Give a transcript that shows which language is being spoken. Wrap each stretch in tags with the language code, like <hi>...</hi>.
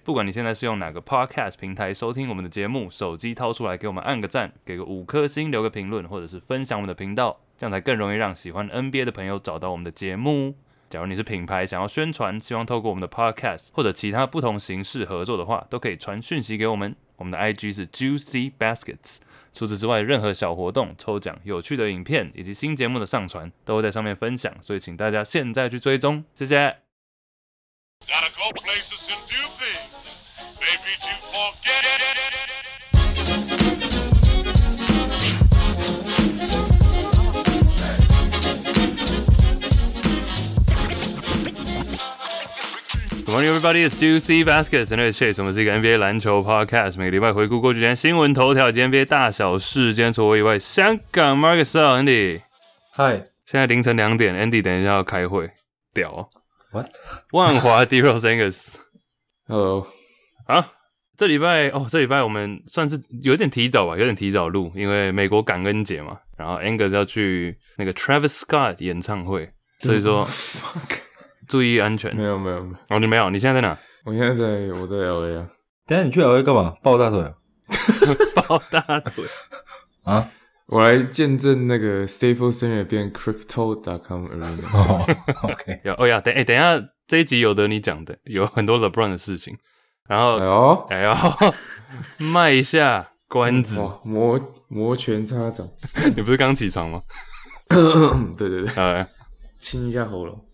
<zh>不管你现在是用哪个 Podcast 平台收听我们的节目，手机掏出来给我们按个赞，给个五颗星，留个评论，或者是分享我们的频道，这样才更容易让喜欢 NBA 的朋友找到我们的节目。假如你是品牌想要宣传，希望透过我们的 Podcast 或者其他不同形式合作的话，都可以传讯息给我们。我们的 IG 是 Juicy Baskets。除此之外，任何小活动、抽奖、有趣的影片以及新节目的上传都会在上面分享，所以请大家现在去追踪，谢谢。</zh> <en>Gotta go places and do things. Maybe to forget it. Good morning, everybody. It's Juicy Baskets, and it's Chase.</en> <zh>我们是一个 NBA 篮球 podcast， 每个礼拜回顾过去几天新闻头条以及 NBA 大小事。今天除我以外，香港 Marcus Andy。</zh> <en>Hi，</en> <zh>现在凌晨两点 ，Andy 等一下要开会，屌。</zh> <en>What？</en> <zh>万华 D-Rose Angus。</zh> <en>Hello。</en> <zh>啊，这礼拜哦，这礼拜我们算是有点提早吧，有点提早录，因为美国感恩节嘛，然后 Angus 要去那个 Travis Scott 演唱会，所以说。</zh> <en>Fuck。</en> <zh>注意安全。没有没有没有。哦，你没有？你现在在哪？我现在在，我在 LA 啊。等下你去 LA 干嘛？抱大腿啊？抱大腿啊？我来见证那个 Staples Center 变 Crypto.com Arena。</zh> <en>Oh, OK。</en> <zh>有哦呀，等哎，等一下这一集有得你讲的，有很多 LeBron 的事情。然后哎呦，卖一下关子，摩拳擦掌。你不是刚起床吗？对对对。哎，清一下喉咙，</zh>